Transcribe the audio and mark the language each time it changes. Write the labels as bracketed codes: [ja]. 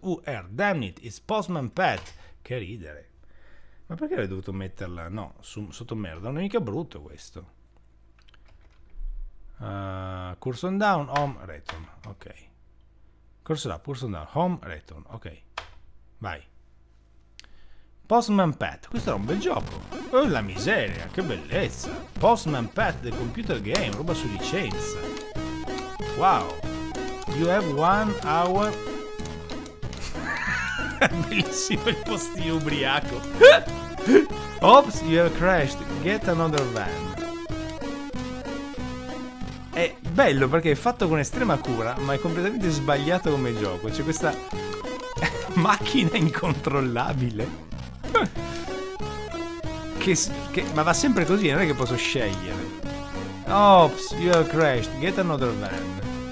[en] UR, damn it, it's Postman Pat. [it] Che ridere. Ma perché avrei dovuto metterla... No, sotto merda. Non è mica brutto questo. [en] Cursor down, home, return. Ok. Cursor up, cursor down, home, return. [it] Ok. Vai. Postman Pat, questo era un bel gioco. Oh, la miseria, che bellezza. [en] Postman Pat, the computer game, [it] roba su licenza. [en] Wow. You have 1 hour. [it] Bellissimo il postino ubriaco. [en] Oops, you have crashed, get another van. [it] È bello perché è fatto con estrema cura, ma è completamente sbagliato come gioco. C'è questa macchina incontrollabile. Ma va sempre così, non è che posso scegliere. Ops, [en] you have crashed, get another van.